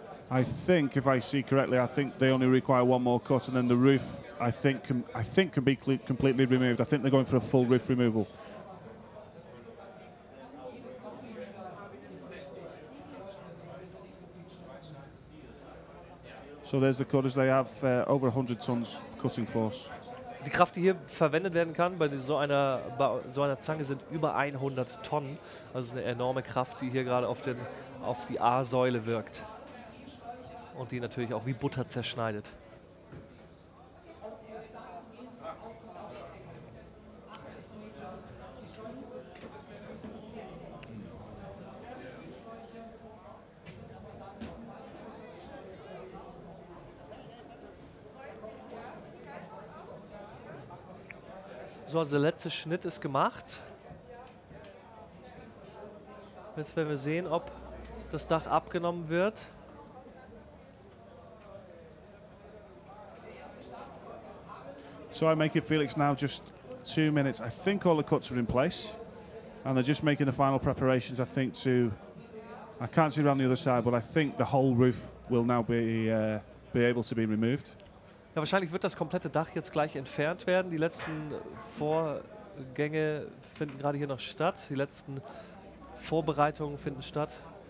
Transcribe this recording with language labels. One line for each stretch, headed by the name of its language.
English: I think, if I see correctly, I think they only require one more cut, and then the roof, I think can be completely removed. I think they're going for a full roof removal. So there's the cutters. They have over 100 tons cutting force.
German: Die Kraft, die hier verwendet werden kann bei so einer Zange, sind über 100 Tonnen. Also eine enorme Kraft, die hier gerade auf die A-Säule wirkt. Und die natürlich auch wie Butter zerschneidet. So, also der letzte Schnitt ist gemacht. Jetzt werden wir sehen, ob das Dach abgenommen wird.
English: So I make it, Felix, now just 2 minutes. I think all the cuts are in place and they're just making the final preparations, I think, to, I can't see around the other side, but I think the whole roof will now be able to be removed.
German: Ja, wahrscheinlich wird das komplette Dach jetzt gleich entfernt werden. Die letzten Vorgänge finden gerade hier noch statt. Die letzten Vorbereitungen finden statt.